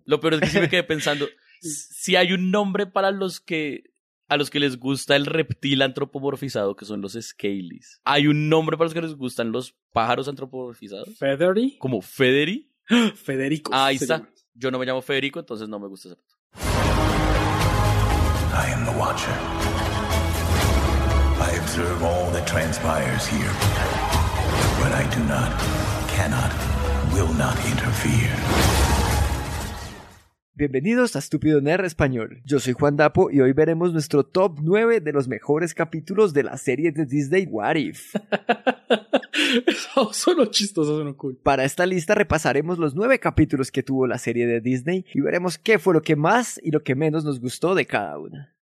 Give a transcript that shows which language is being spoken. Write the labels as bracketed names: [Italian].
[Spanish] Lo peor es que sí me quedé pensando, si hay un nombre para los que... A los que les gusta el reptil antropomorfizado, que son los Scalies. ¿Hay un nombre para los que les gustan los pájaros antropomorfizados? ¿Federi? ¿Como Federi? Federico. Ah, ahí está. Yo no me llamo Federico, entonces no me gusta ese pato. [English] I am the Watcher. I observe all that transpires here. But I do not, cannot, will not interfere. [Spanish] Bienvenidos a Estúpido Nerd Español. Yo soy Juan Dapo y hoy veremos nuestro top 9 de los mejores capítulos de la serie de Disney, What If. Eso suena chistoso, suena cool. Para esta lista repasaremos los 9 capítulos que tuvo la serie de Disney y veremos qué fue lo que más y lo que menos nos gustó de cada una.